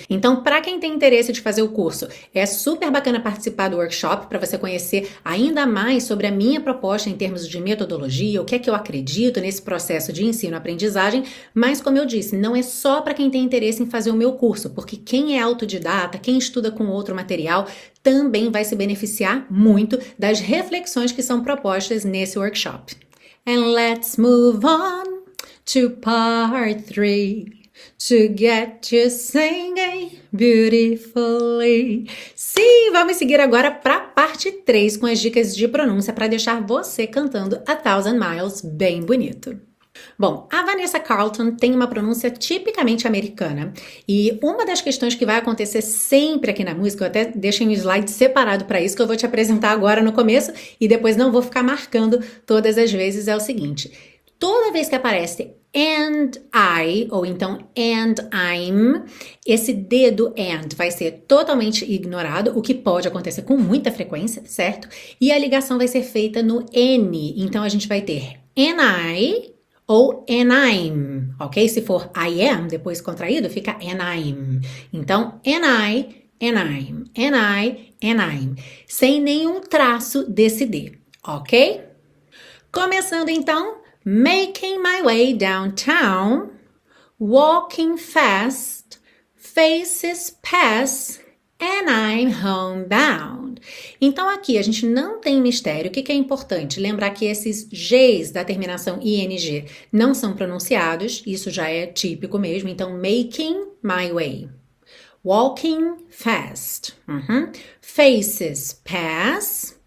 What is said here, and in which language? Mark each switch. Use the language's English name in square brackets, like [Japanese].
[Portuguese] Então, para quem tem interesse de fazer o curso, é super bacana participar do workshop para você conhecer ainda mais sobre a minha proposta em termos de metodologia, o que é que eu acredito nesse processo de ensino-aprendizagem. Mas, como eu disse, não é só para quem tem interesse em fazer o meu curso, porque quem é autodidata, quem estuda com outro material, também vai se beneficiar muito das reflexões que são propostas nesse workshop. [English] And let's move on to part 3. To get you singing beautifully. [Portuguese] Sim, vamos seguir agora para a parte 3 com as dicas de pronúncia para deixar você cantando A Thousand Miles bem bonito. Bom, a Vanessa Carlton tem uma pronúncia tipicamente americana e uma das questões que vai acontecer sempre aqui na música, eu até deixei um slide separado para isso que eu vou te apresentar agora no começo e depois não vou ficar marcando todas as vezes, é o seguinte: toda vez que aparece and I, ou então and I'm, esse dedo and vai ser totalmente ignorado, o que pode acontecer com muita frequência, certo? E a ligação vai ser feita no N, então a gente vai ter [English] and I. [Portuguese] Ou [English] and I'm, [Portuguese] ok? Se for I am, depois contraído, fica and I'm. [English] Então, and I, and I'm, and I'm. [Portuguese] Sem nenhum traço desse D, ok? Começando então, [English] Making my way downtown, walking fast, faces pass, and I'm homebound. [Portuguese] Então, aqui a gente não tem mistério. O que é importante? Lembrar que esses Gs da terminação ing não são pronunciados. Isso já é típico mesmo. Então, [English] making my way. Walking fast. Uhum. Faces pass.